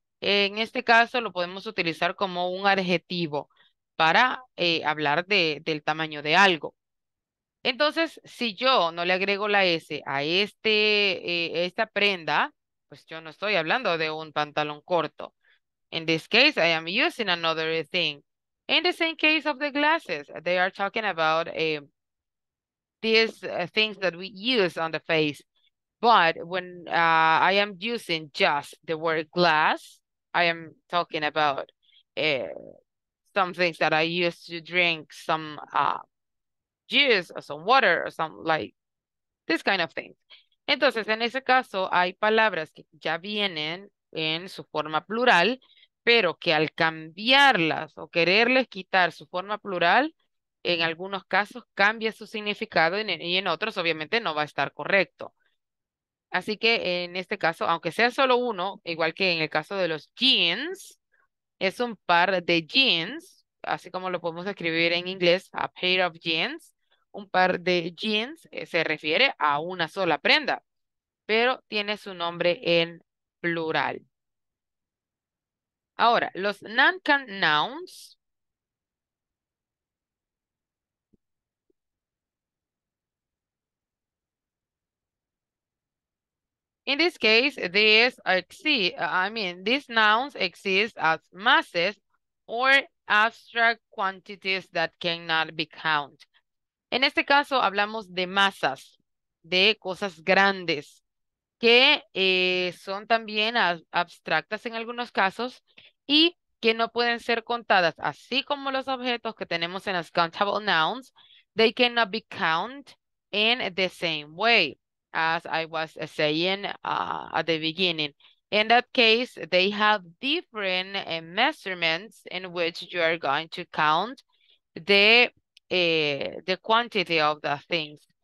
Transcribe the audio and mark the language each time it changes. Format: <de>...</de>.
<es>En este caso lo podemos utilizar como un adjetivo para hablar del tamaño de algo. Entonces, si yo no le agrego la S a esta prenda, pues yo no estoy hablando de un pantalón corto.</es> <en>In this case, I am using another thing. In the same case of the glasses, they are talking about these things that we use on the face. But when I am using just the word glass, I am talking about some things that I used to drink, some juice or some water or some like this kind of thing.</en> <es>Entonces, en ese caso, hay palabras que ya vienen en su forma plural, pero que al cambiarlas o quererles quitar su forma plural, en algunos casos cambia su significado y en otros obviamente no va a estar correcto. Así que en este caso, aunque sea solo uno, igual que en el caso de los jeans, es un par de jeans, así como lo podemos escribir en inglés,</es> <en>a pair of jeans.</en> <es>Un par de jeans se refiere a una sola prenda, pero tiene su nombre en plural. Ahora, los nouns.</es> <en>In this case, these nouns exist as masses or abstract quantities that cannot be counted.</en> <es>En este caso, hablamos de masas, de cosas grandes, que son también abstractas en algunos casos y que no pueden ser contadas. Así como los objetos que tenemos en las</es> <en>countable nouns, they cannot be counted in the same way, as I was saying at the beginning. In that case, they have different measurements in which you are going to count the quantity of the things.</en>